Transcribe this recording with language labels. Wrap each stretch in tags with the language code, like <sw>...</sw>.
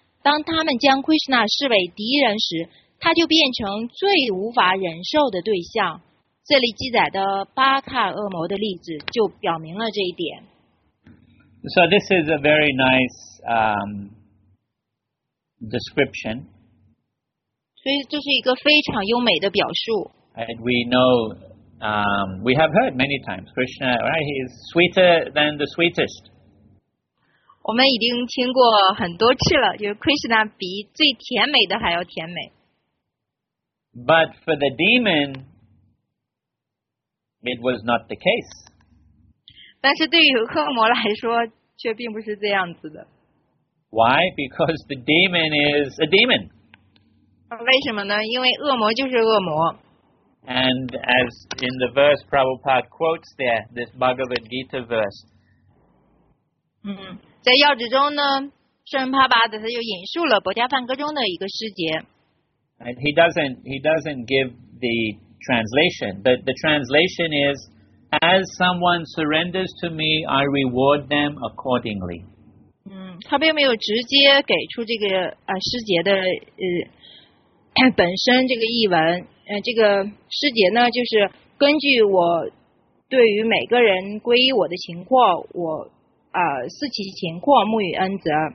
<zh>当他们将 Krishna 视为敌人时，他就变成最无法忍受的对象。这里记载的巴卡恶魔的例子就表明了这一点。</zh> <en>So this is a very nice description.</en> <zh>所以这是一个非常优美的表述。</zh> <en>And we know, we have heard many times, Krishna, right? He is sweeter than the sweetest.</en> <zh>我们已经听过很多次了，就是 Krishna 比最甜美的还要甜美。</zh> <en>But for the demon, it was not the case.</en> <zh>但是对于恶魔来说却并不是这样子的。</zh> <en>Why? Because the demon is a demon.</en> <zh>为什么呢？因为恶魔就是恶魔。</zh> <en>And as in the verse Prabhupada quotes there, this Bhagavad Gita verse.</en> <zh>在要旨中呢，圣帕巴德他又引述了《薄伽梵歌》中的一个诗节。 And he doesn't give the translation, but the translation is,As someone surrenders to me, I reward them accordingly. 他并没有直接给出这个诗节的本身这个译文。这个诗节呢，就是根据我对于每个人皈依我的情况，我视其情况，沐浴恩泽。</zh>